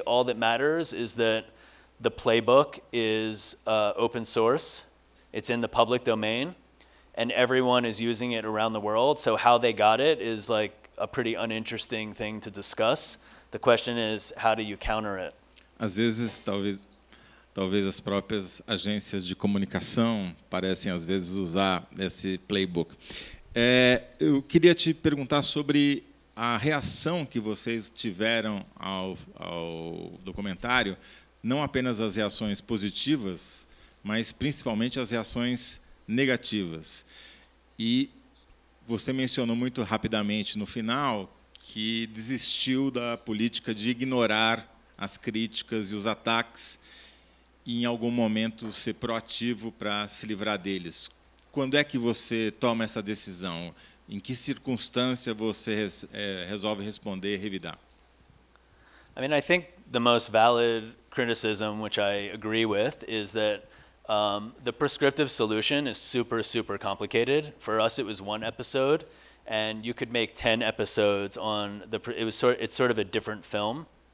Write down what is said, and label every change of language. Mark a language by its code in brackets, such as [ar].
[en] All that matters is that the playbook is open source, it's in the public domain, and everyone is using it around the world. So how they got it is like a pretty uninteresting thing to discuss. The question is, how do you counter it? [pt] Às vezes, talvez as próprias agências de comunicação parecem, às vezes, usar esse playbook. Eu queria te perguntar sobre a reação que vocês tiveram ao documentário, não apenas as reações positivas, mas principalmente as reações negativas. E você mencionou muito rapidamente no final que desistiu da política de ignorar as críticas e os ataques e, em algum momento, ser proativo para se livrar deles. Quando é que você toma essa decisão? Em que circunstância você resolve responder e revidar? [en] I mean, I think the most valid criticism, which I agree with, is that the prescriptive solution is super, super complicated. For us, it was one episode, and you could make 10 episodes on the, it's sort of a different film.